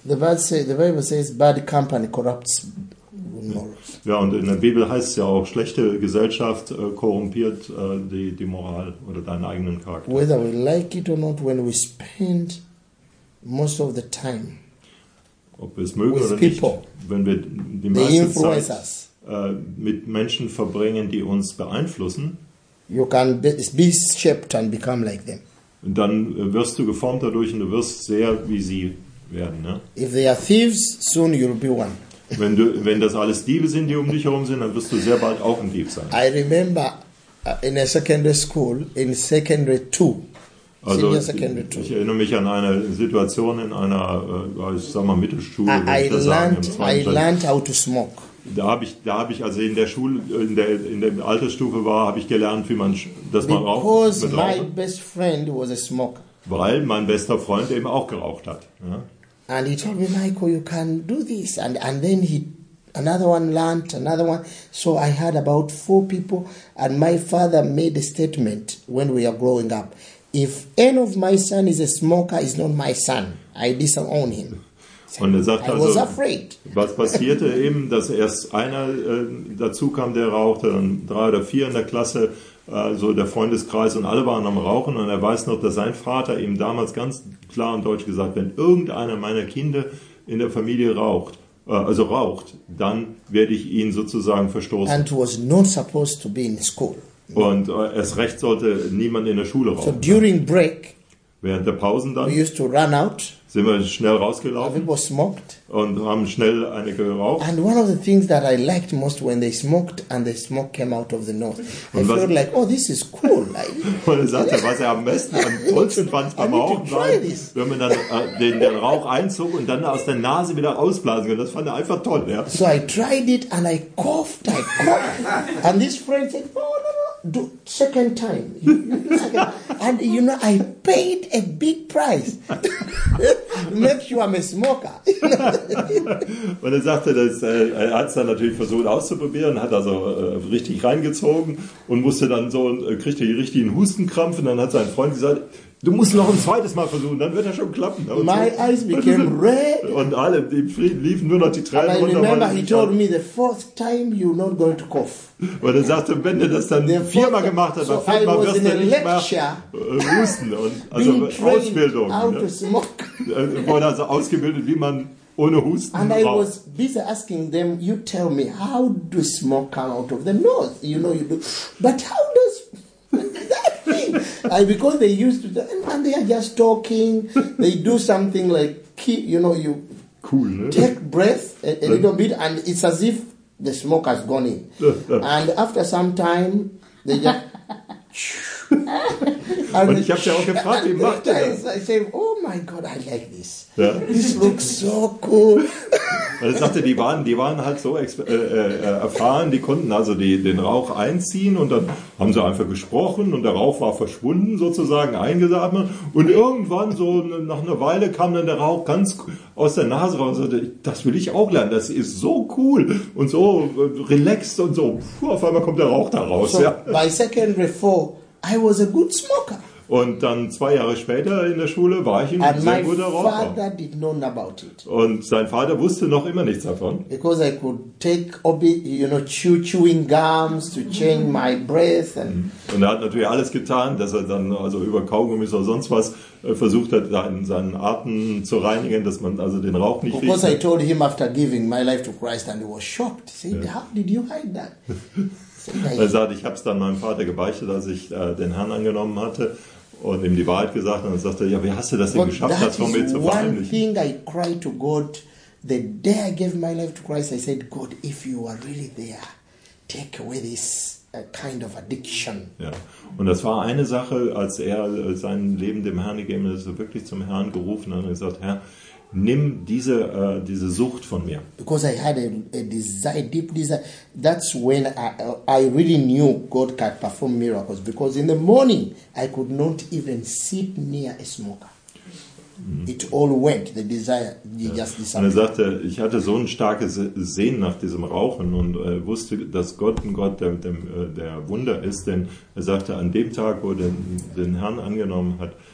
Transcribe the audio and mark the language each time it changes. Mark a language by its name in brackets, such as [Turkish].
[English] The Bible says bad company corrupts morals. [German] Ja, und in der Bibel heißt es ja auch, schlechte Gesellschaft korrumpiert die Moral oder deinen eigenen Charakter. [English] Whether we like it or not, when we spend most of the time, [German] ob wir es mögen oder nicht, wenn wir die meiste Zeit mit Menschen verbringen, die uns beeinflussen, [English] you can be shaped and become like them. [German] Und dann wirst du geformt dadurch und du wirst sehr wie sie werden. Ne? [English] If they are thieves, soon you'll be one. [German] Wenn das alles Diebe sind, die um dich herum sind, dann wirst du sehr bald auch ein Dieb sein. [English] I remember in a secondary school, in secondary two. [German] Also, ich erinnere mich an eine Situation in einer, ich sag mal, Mittelschule. [English] I learned how to smoke. [German] Da habe ich also in der Schule, in der Altersstufe war, habe ich gelernt, wie man das mal raucht. [English] Because my best friend was a smoker. [German] Weil mein bester Freund eben auch geraucht hat. Ja. [English] And he told me, Michael, you can do this. And then he, another one learned, another one. So I had about 4 people. And my father made a statement when we are growing up. If any of my son is a smoker, he's not my son. I disown him. [German] Und er sagt also, was passierte eben, dass erst einer dazu kam, der rauchte, dann 3 oder 4 in der Klasse, so der Freundeskreis, und alle waren am Rauchen. Und er weiß noch, dass sein Vater ihm damals ganz klar und deutlich gesagt, wenn irgendeiner meiner Kinder in der Familie raucht, also raucht, dann werde ich ihn sozusagen verstoßen. [English] And was not supposed to be in school. [German] Und erst recht sollte niemand in der Schule rauchen. [English] So during break, [German] während der Pausen dann, [English] we used to run out, [German] sind wir schnell rausgelaufen, [English] people smoked, [German] und haben schnell eine geraucht. [English] And one of the things that I liked most when they smoked and the smoke came out of the nose, und I was, felt like, oh, this is cool. [German] Und er sagte, was er am besten, am tollsten fand beim Rauchen war, wenn man dann den Rauch einzog und dann aus der Nase wieder ausblasen konnte. Das fand er einfach toll. Ja. [English] So I tried it and I coughed, I coughed. And this friend said, oh, do second time. And you know, I paid a big price. Make sure I'm a smoker. [German] Und er sagte, dass er hat es dann natürlich versucht auszuprobieren, hat also richtig reingezogen und musste dann so, kriegt er richtig einen Hustenkrampf, und dann hat sein Freund gesagt, du musst noch ein zweites Mal versuchen, dann wird er schon klappen. Und [English] my so, eyes became red. [German] Und alle im Frieden liefen nur noch die Tränen runter. [English] I remember he told me the 4th time you're not going to cough. [German] Und er sagte, wenn du das dann 4-mal gemacht hast, so dann 5-mal wirst du nicht mehr husten. Und also Ausbildung. [English] How to smoke. [German] Wurde also ausgebildet, wie man ohne Husten. [English] And I was busy asking them, you tell me, how do smoke come out of the north? You know, you do. But how does that thing? Because they used to, and they are just talking, they do something like, keep, you know, you cool, ne? Take breath a little bit, and it's as if the smoke has gone in. And after some time, they just. [German] Und ich habe ja auch gefragt, wie macht er das? [English] I say, oh my God, I like this. [German] Ja. [English] This looks so cool. [German] Und er sagte, die waren halt so erfahren, die konnten also den Rauch einziehen, und dann haben sie einfach gesprochen und der Rauch war verschwunden sozusagen, eingesammelt. Und irgendwann, so nach einer Weile, kam dann der Rauch ganz aus der Nase raus und sagte, das will ich auch lernen, das ist so cool und so relaxed und so. Puh, auf einmal kommt der Rauch da raus. So, ja. [English] By secondary four, I was a good smoker. [German] Und dann 2 Jahre später in der Schule war ich ein [English] and [German] sehr guter Raucher. [English] My father did not know about it. [German] Und sein Vater wusste noch immer nichts davon. [English] Because I could take, you know, chewing gums to change my breath. And [German] Und er hat natürlich alles getan, dass er dann also über Kaugummis oder sonst was versucht hat, seinen Atem zu reinigen, dass man also den Rauch nicht riecht. [English] Because I told him after giving my life to Christ, and he was shocked. He said, how did you hide that? [German] Er sagte, ich habe es dann meinem Vater gebeichtet, als ich den Herrn angenommen hatte und ihm die Wahrheit gesagt. Und dann sagte er, ja, wie hast du das denn geschafft, das von mir zu verheimlichen? [English] One thing I cried to God The day I gave my life to Christ, I said, God, if you are really there, take away this kind of addiction. [German] Ja. Und das war eine Sache, als er sein Leben dem Herrn gegeben hat, er wirklich zum Herrn gerufen hat und gesagt, Herr, nimm diese diese Sucht von mir. [English] Because I had a desire, deep desire. That's when I really knew God could perform miracles. Because in the morning I could not even sit near a smoker. Mm-hmm. It all went. The desire just disappeared. [German] Und er sagte, ich hatte so ein starkes Sehnen nach diesem Rauchen und wusste, dass Gott ein Gott der Wunder ist, denn er sagte, an dem Tag, wo er den Herrn angenommen hat.